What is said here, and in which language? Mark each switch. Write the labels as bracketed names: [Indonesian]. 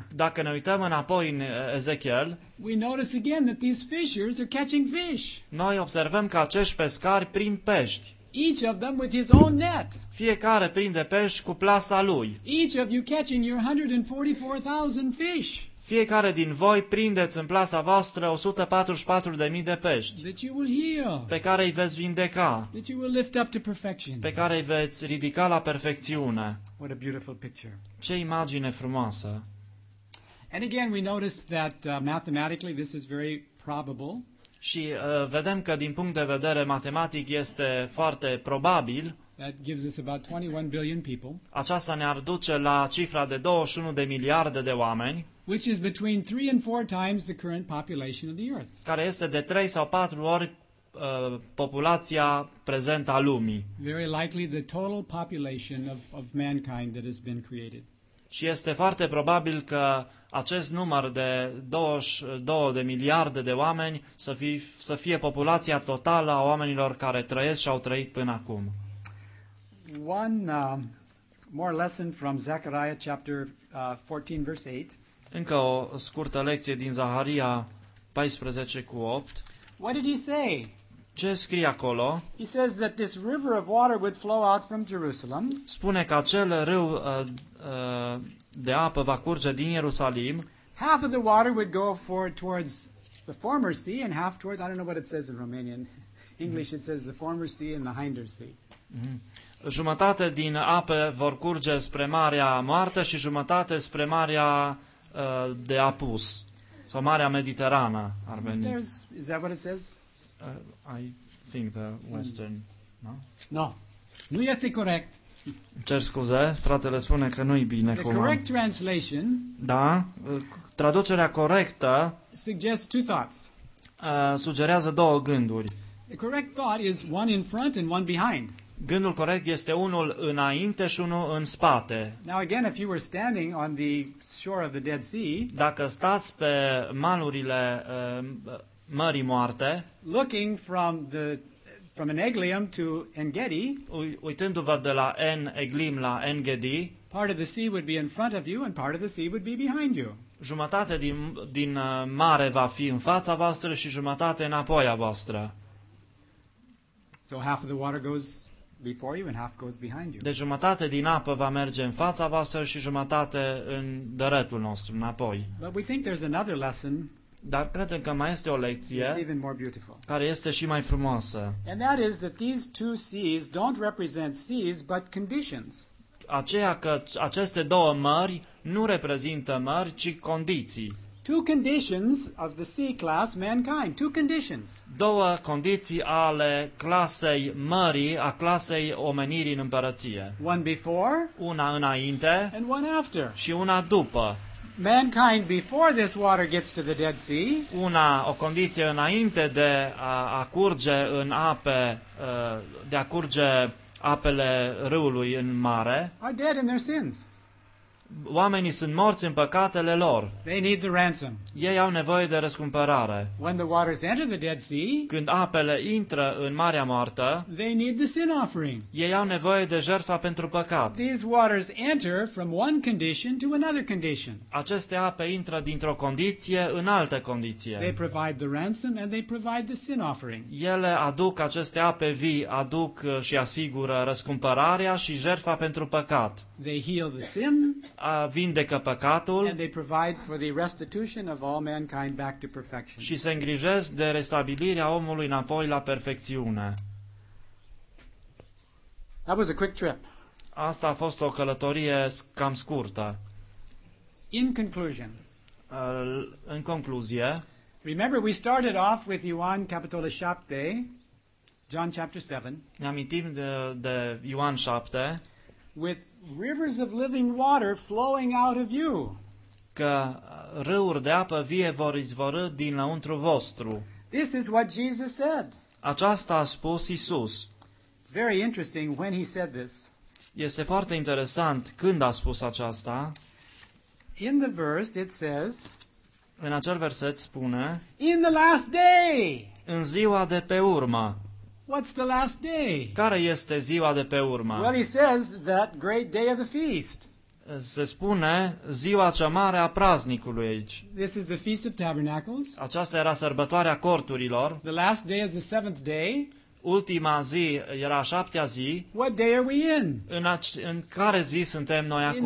[Romanian] dacă ne uităm înapoi în Ezechiel, [English] we notice again that these fishers are catching fish. [Romanian] Noi observăm că acești pescari prind pești. [English] Each of them with his own net. [Romanian] Fiecare prinde pești cu plasa lui. [English] Each of you catching your 144,000 fish. [Romanian] Fiecare din voi prindeți în plasa voastră 144.000 de pești. [English] That you will heal. [Romanian] Pe care îi veți vindeca. [English] That you will lift up to perfection. [Romanian] Pe care îi veți ridica la perfecțiune. [English] What a beautiful picture. [Romanian] Ce imagine frumoasă. [English] And again we notice that mathematically this is very probable. [Romanian] Și vedem că din punct de vedere matematic este foarte probabil. [English] That gives us about 21 billion people. [Romanian] Aceasta ne-ar duce la cifra de 21 de miliarde de oameni. [English] Which is between 3 and 4 times the current population of the earth. [Romanian] Care este de 3 sau 4 ori populația prezentă a lumii. [English] Very likely the total population of mankind that has been created. [Romanian] Și este foarte probabil că acest număr de 22 de miliarde de oameni să fie populația totală a oamenilor care trăiesc și au trăit până acum. [English] One more lesson from Zechariah chapter 14 verse 8. [Romanian] Încă o scurtă lecție din Zaharia 14:8. [English] What did he say? [Romanian] Ce scrie acolo? [English] He says that this river of water would flow out from Jerusalem. [Romanian] Spune că acel râu de apă va curge din Ierusalim. [English] Half of the water would go towards the former sea and half towards, I don't know what it says in Romanian. English it says the former sea and the hinder sea. Mm-hmm. [Romanian] Jumătate din apă vor curge spre Marea Moartă și jumătate spre Marea de Apus. Sau Marea Mediterană ar veni. [English] Is that what it says? I think the western, no? [Romanian] No. Nu este corect. Cer scuze, fratele spune că nu-i bine [English] cum. The correct translation. [Romanian] Da, traducerea corectă [English] suggests two thoughts. [Romanian] Sugerează două gânduri. [English] The correct thought is one in front and one behind. [Romanian] Gândul corect este unul înainte și unul în spate. [English] Now again, if you were standing on the shore of the Dead Sea, [Romanian] dacă stați pe malurile Mării Moarte, [English] looking from the from an Eglim to En Gedi, [Romanian] uitându-vă de la En Eglim la En Gedi, [English] part of the sea would be in front of you and part of the sea would be behind you. [Romanian] Jumătate din mare va fi în fața voastră și jumătate înapoi a voastră. [English] So half of the water goes before you and half goes behind you. [Romanian] Deci jumătate din apă va merge în fața voastră și jumătate în dreptul nostru, înapoi. [English] But we think there's another lesson. [Romanian] Dar credem că mai este o lecție care este și mai frumoasă. [English] And that is that these two seas don't represent seas, but conditions. [Romanian] Aceea că aceste două mări nu reprezintă mări, ci condiții. [English] Two conditions of the sea class mankind. Two conditions. [Romanian] Două condiții ale clasei mării, a clasei omenirii în împărăție. [English] One before. [Romanian] Una înainte. [English] And one after. [Romanian] Și una după. [English] Mankind before this water gets to the Dead Sea. [Romanian] Una, o condiție înainte de a curge în ape, de a curge apele râului în mare. [English] Are dead in their sins. [Romanian] Oamenii sunt morți în păcatele lor. [English] They need the ransom. [Romanian] Ei au nevoie de răscumpărare. [English] When the waters enter the Dead Sea, [Romanian] când apele intră în Marea Moartă, [English] they need the sin offering. [Romanian] Ei au nevoie de jertfa pentru păcat. [English] These waters enter from one condition to another condition. [Romanian] Aceste ape intră dintr-o condiție în altă condiție. [English] They provide the ransom and they provide the sin offering. [Romanian] Ele aduc, aceste ape vii aduc și asigură răscumpărarea și jertfa pentru păcat. [English] They heal the sin. [Romanian] Vindecă păcatul. [English] And they provide for the restitution of all mankind back to perfection. [Romanian] Și se îngrijesc de restabilirea omului înapoi la perfecțiune. [English] That was a quick trip. [Romanian] Asta a fost o călătorie cam scurtă. [English] In conclusion. [Romanian] În concluzie. [English] Remember we started off with [Romanian] Ioan capitolul 7, [English] John chapter 7. [Romanian] Ne amintim de Ioan 7. [English] With rivers of living water flowing out of you. [Romanian] Că râuri de apă vie vor izvorâ din lăuntru vostru. [English] This is what Jesus said. [Romanian] Aceasta a spus Isus. [English] Very interesting when he said this. [Romanian] Este foarte interesant când a spus aceasta. [English] In the verse it says. [Romanian] În acel verset spune. [English] In the last day. [Romanian] În ziua de pe urmă. [English] What's the last day? [Romanian] Care este ziua de pe urmă? [English] Well, he says that great day of the feast. [Romanian] Se spune ziua cea mare a praznicului aici. [English] This is the Feast of Tabernacles. [Romanian] Aceasta era sărbătoarea corturilor. [English] The last day is the seventh day. [Romanian] Ultima zi era a șaptea zi. [English] What day are we in? [Romanian] În care zi suntem noi acum?